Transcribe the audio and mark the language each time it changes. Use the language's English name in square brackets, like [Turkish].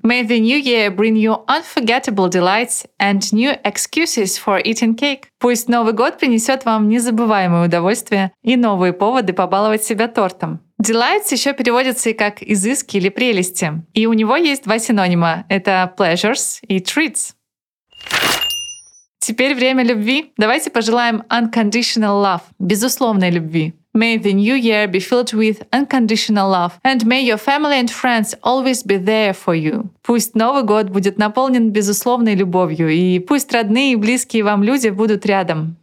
[English] May the new year bring you unforgettable delights and new excuses for eating cake. [Russian] Пусть Новый год принесет вам незабываемое удовольствие и новые поводы побаловать себя тортом. Delights еще переводится и как изыски или прелести. И у него есть два синонима. Это pleasures и treats. Теперь время любви. Давайте пожелаем unconditional love, безусловной любви. [English] May the new year be filled with unconditional love, and may your family and friends always be there for you. [Russian] Пусть Новый год будет наполнен безусловной любовью, и пусть родные и близкие вам люди будут рядом.